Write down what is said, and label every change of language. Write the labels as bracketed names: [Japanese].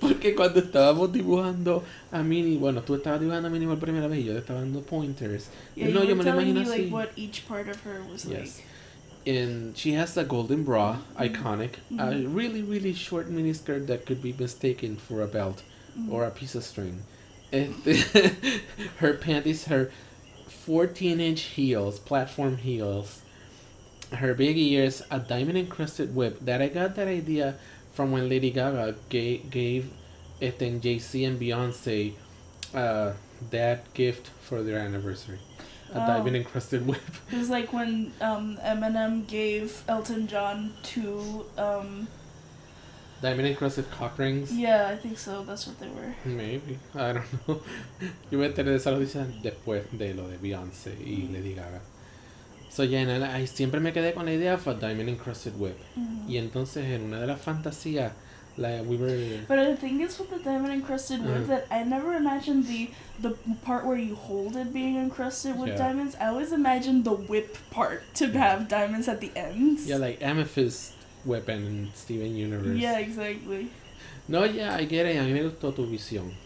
[Spanish] Porque cuando estábamos dibujando a Minnie, bueno, tú estabas dibujando a Minnie por primera vez y yo te estaba dando pointers. [English] Yeah, [Spanish] no, yo me lo imagino así. [English] Like, what each part of her was, yes, like. And she has a golden bra, mm-hmm, iconic, mm-hmm, a really, really short mini skirt that could be mistaken for a belt, mm-hmm, or a piece of string. And her panties, her 14-inch heels, platform heels, her big ears, a diamond-encrusted whip. That I got that idea from when Lady Gaga gave it in Jay-Z and Beyoncé that gift for their anniversary. Diamond-encrusted whip. It was like when Eminem gave Elton John 2... Diamond-encrusted cock rings? Yeah, I think so. That's what they were. Maybe. I don't know. [Spanish] Yo me enteré de esa noticia después de lo de Beyoncé y Lady Gaga. [English] So, yeah, I [Spanish] siempre me quedé con la idea [English] of a diamond-encrusted whip. Mm-hmm. [Spanish] Y entonces, en una de las fantasías, like, [English] we were... But the thing is with the diamond-encrusted whip that I never imagined the part where you hold it being encrusted with diamonds. I always imagined the whip part to have diamonds at the ends. Yeah, like amethyst weapon in Steven Universe. Yeah, exactly. No, yeah, I get it. [Spanish] A mí me gustó tu visión.